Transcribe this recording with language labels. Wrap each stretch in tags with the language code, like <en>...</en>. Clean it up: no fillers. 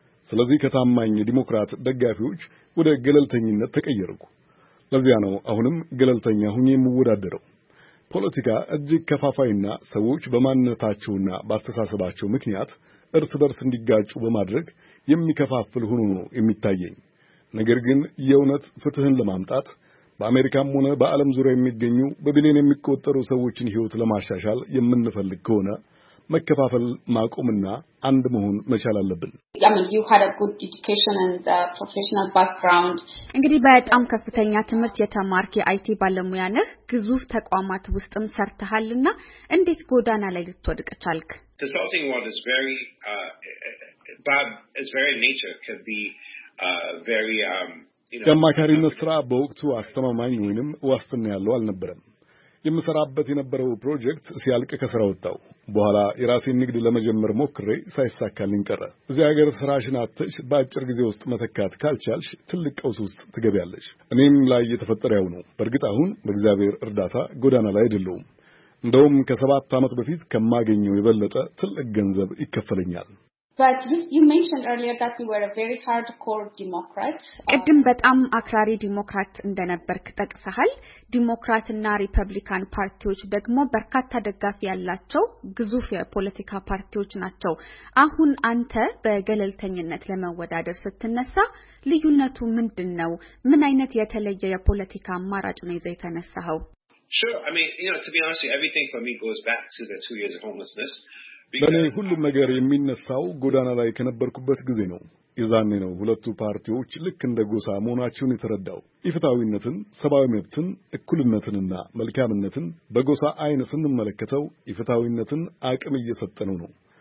<am>ስለዚህ ከታማኝ ዲሞክራት ደጋፊዎች ወደ ገለልተኝነት ተቀየርኩ። ለዚያ ነው አሁንም ገለልተኛ ሆኜ የምወዳደረው። ፖለቲካ እጅግ ከፋፋይና ሰዎች በማንነታቸውና በአስተሳሰባቸው ምክንያት እርስ በርስ እንዲጋጩ በማድረግ የሚከፋፍል ሆኖ ነው የሚታየኝ። ነገር ግን የእውነት ፍትህን ለማምጣት በአሜሪካም ሆነ በዓለም ዙሪያ የሚገኙ በቢሊዮን የሚቆጠሩ ሰዎችን ህይወት ለማሻሻል የምንፈልግ ከሆነ መከፋፈል ማቆምና አንድ መሆን መቻል አለብን።</am> <en>You had a good education and professional background.</en> <am>እንግዲህ በጣም ከፍተኛ ትምህርት የተማርክ የአይቲ ባለሙያ ነህ፣ ግዙፍ ተቋማት ውስጥም ሰርተሃልና እንዴት ጎዳና ላይ ልትወድቅ ቻልክ?</am> <en>Consulting world is very by its very nature can be very</en> <am>የአማካሪነት ስራ በወቅቱ አስተማማኝ ወይንም ዋስትና ያለው አልነበረም። የምሰራበት የነበረው ፕሮጀክት ሲያልቅ ከስራ ወጣው። በኋላ የራሴን ንግድ ለመጀመር ሞክሬ ሳይሳካልኝ ቀረ። እዚህ ሀገር ስራሽን አጥተሽ በአጭር ጊዜ ውስጥ መተካት ካልቻልሽ ትልቅ ቀውስ ውስጥ ትገቢያለሽ። እኔም ላይ የተፈጠረ ያው ነው። በእርግጥ አሁን በእግዚአብሔር እርዳታ ጎዳና ላይ አይደለሁም። እንደውም ከሰባት ዓመት በፊት ከማገኘው የበለጠ ትልቅ ገንዘብ ይከፈለኛል።</am> <en>But you mentioned earlier that you were a very hardcore Democrat.</en> <am>ቀድም በጣም አክራሪ ዲሞክራት እንደነበርክ ጠቅሰሃል። ዲሞክራትና ሪፐብሊካን ፓርቲዎች ደግሞ በርካታ ደጋፊ ያላቸው ግዙፍ የፖለቲካ ፓርቲዎች ናቸው። አሁን አንተ በገለልተኝነት ለመወዳደር ስትነሳ ልዩነቱ ምንድነው? ምን አይነት የተለየ የፖለቲካ አማራጭ ነው ይዘህ ተነሳኸው?</am> <en>Sure, I mean, you know, to be honest, everything for me goes back to the 2 years of homelessness.</en> <am>በኔ ሁሉም ነገር የሚነሳው ጎዳና ላይ ከነበርኩበት ጊዜ ነው። ይዛኔ ነው ሁለቱ ፓርቲዎች ልክ እንደ ጎሳ መሆናቸውን የተረዳው። ኢፍትሃዊነትን፣ ሰብአዊ መብትን፣ እኩልነትንና መልካምነትን በጎሳ አይን ስንመለከተው ኢፍትሃዊነትን አቅም እየሰጠነው ነው።</am>